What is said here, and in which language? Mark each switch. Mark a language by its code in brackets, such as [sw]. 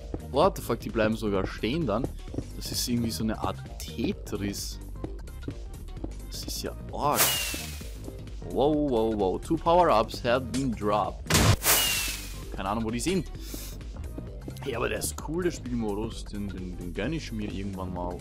[en] What the fuck, [de] die bleiben sogar stehen dann. Das ist irgendwie so eine Art Tetris. Das ist ja arg. [en] Wow, wow, wow, 2 Power-Ups have been dropped. [de] Keine Ahnung, wo die sind. Ja, hey, aber der ist cool, der Spielmodus. Den gönn ich mir irgendwann mal.